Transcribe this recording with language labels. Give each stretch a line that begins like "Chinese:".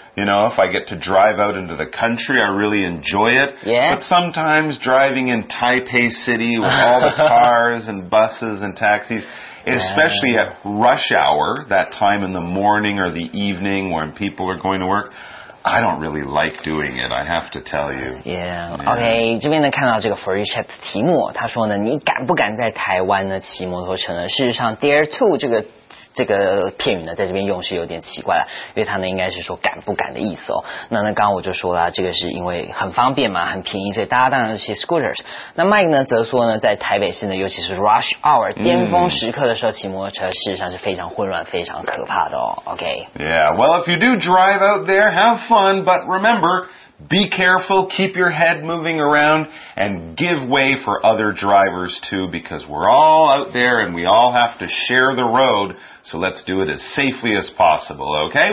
English: You know, if I get to drive out into the country, I really enjoy it. Yeah. But sometimes driving in Taipei City with all the cars and buses and taxis, especially at rush hour, that time in the morning or the evening when people are going to work,I don't really like doing it, I have to tell you. Yeah, OK,
Chinese: 这边呢看到这个 For You Chat 的题目，他说呢，你敢不敢在台湾呢骑摩托车呢？事实上 ，dare to 这个片语呢，在这边用是有点奇怪了，因为它呢应该是说敢不敢的意思哦。那刚刚我就说了，这个是因为很方便嘛，很便宜，所以大家当然骑 scooters。那 Mike 呢则说呢，在台北市呢，尤其是 rush hour 巅峰时刻的时候骑摩托车，事实上是非常混乱、非常可怕的哦。
English: OK。 Yeah, well, if you do drive out there, have fun, but remember. Be careful, keep your head moving around, and give way for other drivers too, because we're all out there and we all have to share the road, so let's do it as safely as possible, okay?